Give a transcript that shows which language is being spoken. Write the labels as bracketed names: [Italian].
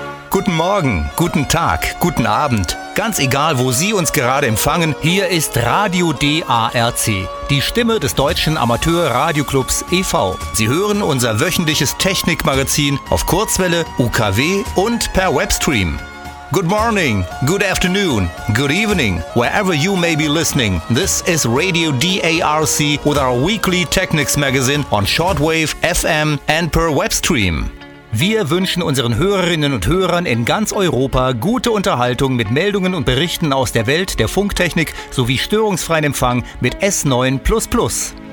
[German] Guten Morgen, guten Tag, guten Abend. Ganz egal, wo Sie uns gerade empfangen, hier ist Radio DARC, die Stimme des deutschen Amateur-Radioclubs e.V. Sie hören unser wöchentliches Technikmagazin auf Kurzwelle, UKW und per Webstream. [English] Good morning, good afternoon, good evening, wherever you may be listening. This is Radio DARC with our weekly Technics Magazine on Shortwave, FM and per Webstream. [German] Wir wünschen unseren Hörerinnen und Hörern in ganz Europa gute Unterhaltung mit Meldungen und Berichten aus der Welt der Funktechnik sowie störungsfreien Empfang mit S9++.